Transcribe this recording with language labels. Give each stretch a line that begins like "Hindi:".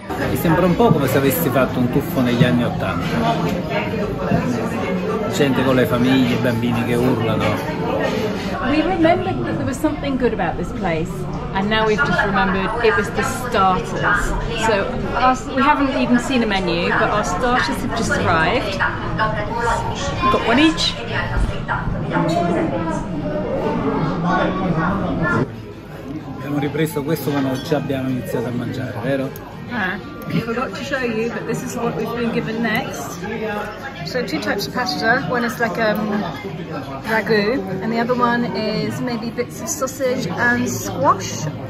Italian: Mi sembra un po' come se avessi fatto un tuffo negli anni Ottanta. Gente con le famiglie, bambini che urlano.
English: We remembered that there was something good about this place, and now we've just remembered it was the starters. So we haven't even seen a menu, but our starters have just arrived. Got one each.
Italian: Abbiamo ripreso questo quando già abbiamo iniziato a mangiare, vero?
English: We forgot to show you, but this is what we've been given next. So two types of pasta. One is like ragu, and the other one is maybe bits of sausage and squash.